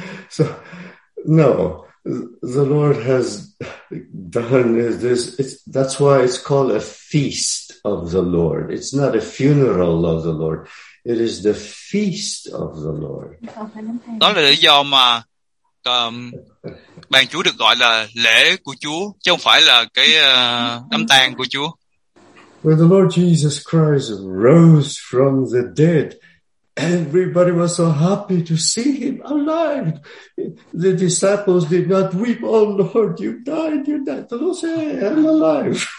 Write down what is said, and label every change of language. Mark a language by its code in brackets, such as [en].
[en] So, no, the Lord has done this. That's why it's called a feast of the Lord. It's not a funeral of the Lord. It is the feast of the Lord. [vi] Đó là lý do mà bàn Chúa được gọi là lễ của Chúa chứ không phải là cái đám tang của Chúa. [en] When the Lord Jesus Christ rose from the dead, Everybody was so happy to see him alive. The disciples did not weep, "Oh Lord, you died, you died." The Lord said, "Hey, I'm alive."